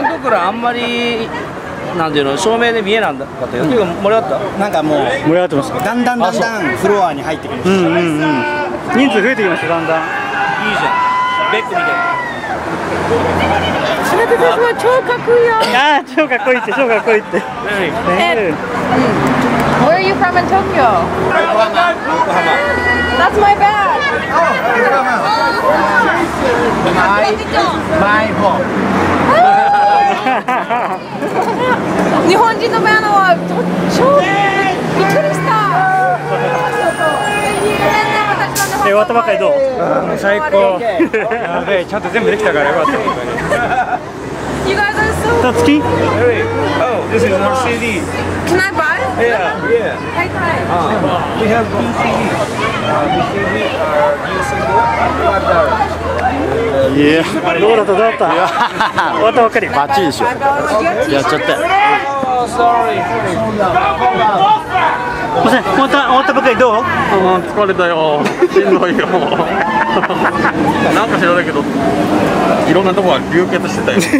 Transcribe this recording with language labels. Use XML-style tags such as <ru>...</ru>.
<ja>俺のところあんまりなんていうの照明で見えなんだかというか盛り上がった。なんかもう盛り上がってますか。だんだんだんだんフロアに入ってくる。人数増えてきました。だんだん。いいじゃん。ベッドみたいな。あなたたちも超かっこいいよ。あ、超かっこいいって、超かっこいいって。</ja> <en>Where are you from in Tokyo? Yokohama. That's my bag. Oh, Yokohama. My home.</en> <ja>日本人のメアノは超びっくりした。終わったばかりどう？最高。やべえ、ちゃんと全部できたからよかった。</ja> <en>You guys are so cool. Tatsuki? Oh, this is our CD. Can I buy? Yeah. Hi. We have two CDs. These CDs are new single, $5. Yeah.</en> <ja>どうだったどうだった？終わったばかり。バッチリでしょ。やっちゃった。すいません、終わったばかりどう？疲れたよ、しんどいよ。なんか知らないけど、いろんなとこが流血してたよ。</ja>